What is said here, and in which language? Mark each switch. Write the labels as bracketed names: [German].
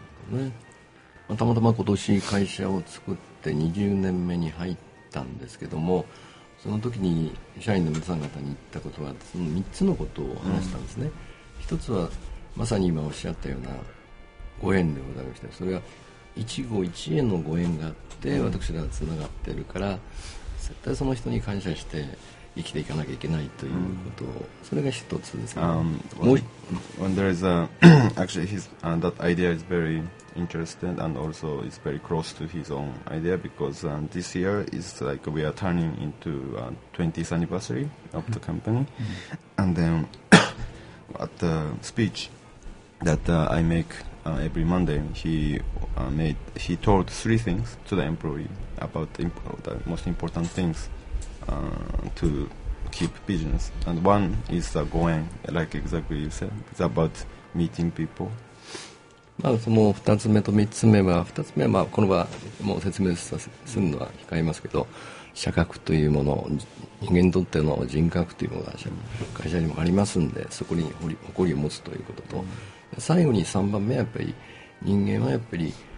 [Japanese] ね、たまたま今年会社を作って20年目に入ったんですけども、その時に社員の皆さん方に言ったことは、その3つのことを話したんですね。一つはまさに今おっしゃったようなご縁でございまして、それは一期一会のご縁があって私らがつながっているから、絶対その人に感謝して生きていかなきゃいけないということを、それが一つですね。 [English] When there is a actually his that idea is very interested and also is very close to his own idea, because this year is like we are turning into a 20th anniversary of the company. And then at the speech that I make every Monday, he told three things to the employee about the most important things to keep business. And one is the going, like exactly you said, it's about meeting people. [Japanese] まあ、その2つ目と3つ目は、2つ目はまあこの場合もう説明するのは控えますけど、社格というもの、人間にとっての人格というものが会社にもありますんで、そこに誇りを持つということと、最後に3番目はやっぱり人間はやっぱり